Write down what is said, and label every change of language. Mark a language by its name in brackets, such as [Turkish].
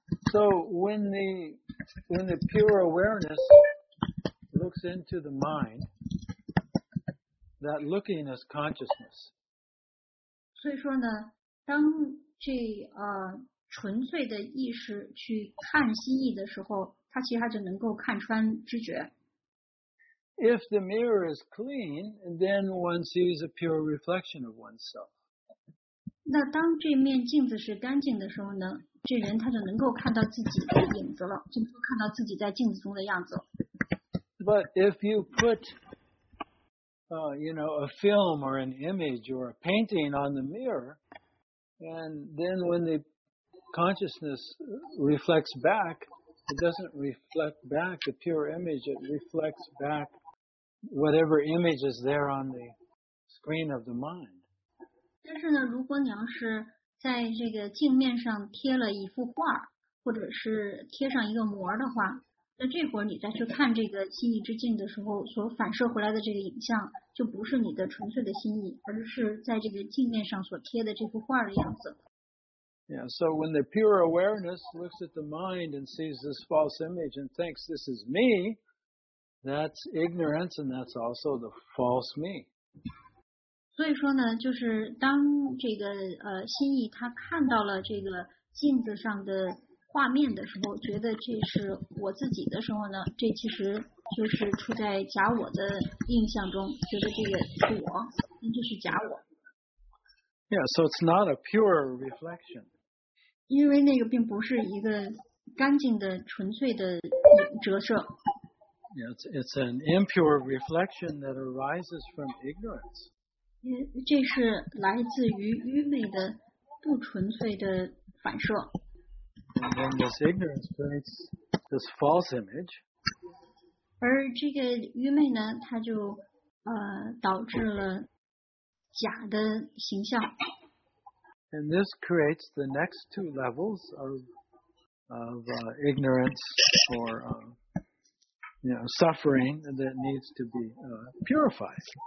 [English] So when the pure awareness looks into the mind, that looking is consciousness. [Chinese] 所以说呢，当这纯粹的意识去看心意的时候，它其实它就能够看穿知觉。 [English] If the mirror is clean, then one sees a pure reflection of oneself. [Chinese] 那当这面镜子是干净的时候呢，这人他就能够看到自己的影子了，就能够看到自己在镜子中的样子。 [English] But if you put, you know, a film or an image or a painting on the mirror, and then when the consciousness reflects back, it doesn't reflect back the pure image, it reflects back whatever image is there on the screen of the mind. [Chinese] 但是呢，如果你要是在这个镜面上贴了一幅画，或者是贴上一个膜的话，那这会儿你再去看这个心意之镜的时候，所反射回来的这个影像，就不是你的纯粹的心意，而是在这个镜面上所贴的这幅画的样子。 [English] Yeah, so when the pure awareness looks at the mind and sees this false image and thinks this is me, that's ignorance and that's also the false me. [Chinese] 所以说呢，就是当这个心意他看到了这个镜子上的画面的时候，觉得这是我自己的时候呢，这其实就是处在假我的印象中，觉得这个是我，那就是假我。 [English] Yeah, so it's not a pure reflection. [Chinese] 因为那个并不是一个干净的、纯粹的折射。 [English] Yeah, it's an impure reflection that arises from ignorance. [Chinese] 这是来自于愚昧的、不纯粹的反射。 [English] And then this ignorance creates this false image. [Chinese] 而这个愚昧呢，它就导致了假的形象。 [English] And this creates the next two levels of ignorance or suffering that needs to be purified.